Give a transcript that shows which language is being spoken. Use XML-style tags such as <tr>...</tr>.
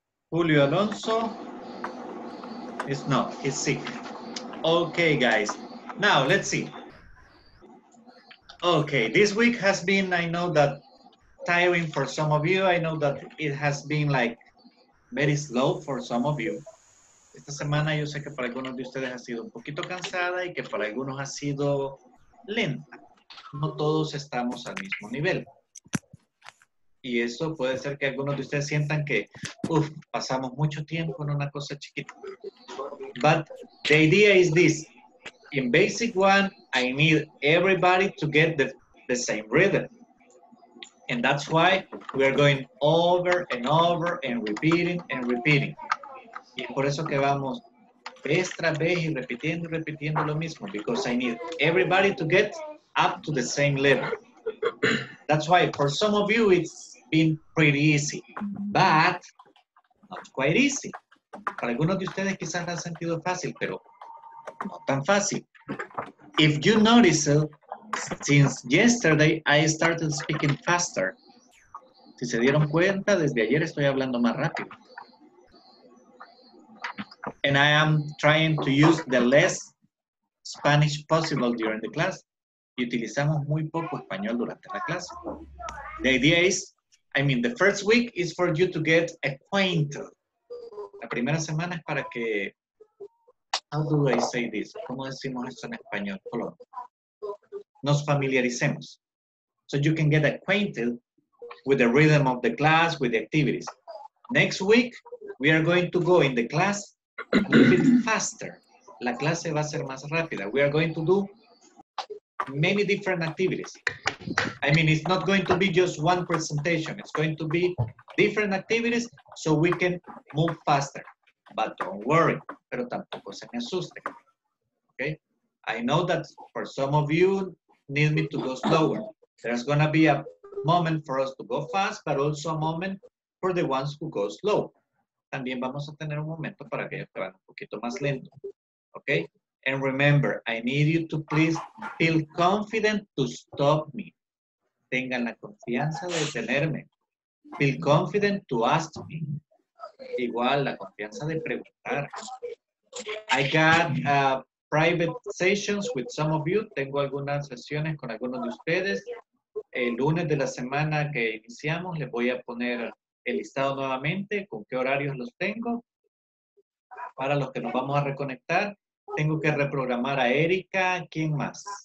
<en>Julio Alonso. It's not. He's sick. Okay, guys. Now, let's see. Okay, this week has been, I know that tiring for some of you. I know that it has been like very slow for some of you.</en> <es>Esta semana yo sé que para algunos de ustedes ha sido un poquito cansada y que para algunos ha sido lenta. No todos estamos al mismo nivel. Y eso puede ser que algunos de ustedes sientan que, uff, pasamos mucho tiempo en una cosa chiquita.</es> <en>But the idea is this. In basic one, I need everybody to get the same rhythm. And that's why we are going over and over and repeating and repeating.</en> <es>Y es por eso que vamos vez tras vez y repitiendo y repitiendo lo mismo.</es> <en>Because I need everybody to get up to the same level. That's why for some of you, it's been pretty easy. But not quite easy.</en> <es>Para algunos de ustedes quizás ha sentido fácil, pero no tan fácil.</es> <en>If you notice, since yesterday, I started speaking faster.</en> <es>Si se dieron cuenta, desde ayer estoy hablando más rápido.</es> <en>And I am trying to use the less Spanish possible during the class.</en> <es>Y utilizamos muy poco español durante la clase.</es> <en>The idea is, I mean, the first week is for you to get acquainted.</en> <es>La primera semana es para que...</es> <en>How do I say this?</en> <es>¿Cómo decimos esto en español? Colón. Nos familiaricemos.</es> <en>So you can get acquainted with the rhythm of the class, with the activities. Next week, we are going to go in the class a little bit faster.</en> <es>La clase va a ser más rápida.</es> <en>We are going to do many different activities. I mean, it's not going to be just one presentation. It's going to be different activities so we can move faster. But don't worry,</en> <es>pero tampoco se me asuste. Okay?</es> <en>I know that for some of you need me to go slower. There's gonna be a moment for us to go fast, but also a moment for the ones who go slow.</en> <es>También vamos a tener un momento para aquellos que van un poquito más lento.</es> <en>Okay? And remember, I need you to please feel confident to stop me.</en> <es>Tengan la confianza de detenerme.</es> <en>Feel confident to ask me.</en> <es>Igual, la confianza de preguntar.</es> <en>I got private sessions with some of you.</en> <es>Tengo algunas sesiones con algunos de ustedes. El lunes de la semana que iniciamos, les voy a poner el listado nuevamente, con qué horarios los tengo. Para los que nos vamos a reconectar, tengo que reprogramar a Erika. ¿Quién más?</es>